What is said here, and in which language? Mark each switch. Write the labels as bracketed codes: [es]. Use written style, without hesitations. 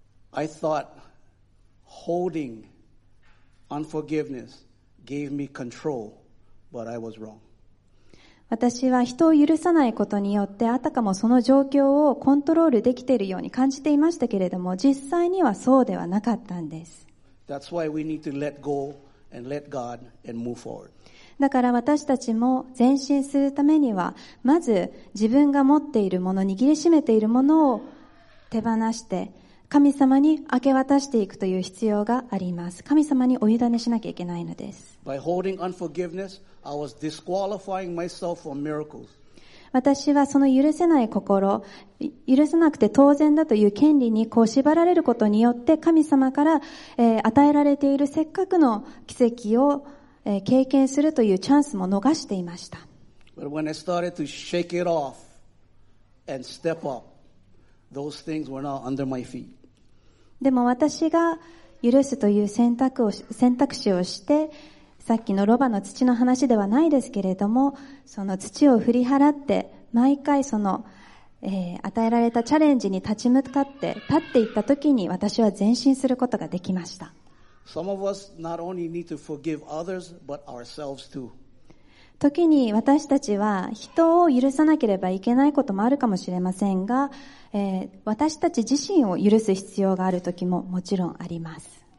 [en] I thought holding unforgiveness gave me control, but I was wrong. [ja] 私は人を許さないことによってあたかもその状況をコントロールできているように感じていましたけれども実際にはそうではなかったんです。 [en] That's why we need to let go and let God and move forward. [ja] だから私たちも前進するためにはまず自分が持っているもの、握りしめているものを手放して神様に明け渡していくという必要があります。神様にお委ねしなきゃいけないのです。 [en] By holding unforgiveness, I was disqualifying myself from miracles. [ja] 私はその許せない心、許せなくて当然だという権利にこう縛られることによって神様から、与えられているせっかくの奇跡を、経験するというチャンスも逃していました。 [en] But when I started to shake it off and step upThose things were not under my feet. [ja] でも私が許すという選択肢をしてさっきのロバの土の話ではないですけれどもその土を振り払って毎回その、与えられたチャレンジに立ち向かって立っていった時に私は前進することができました。 [en] Some of us not only need to forgive others but ourselves too. [ja] 時に私たちは人を許さなければいけないこともあるかもしれませんが、私たち自身を許す必要がある時ももちろんあります。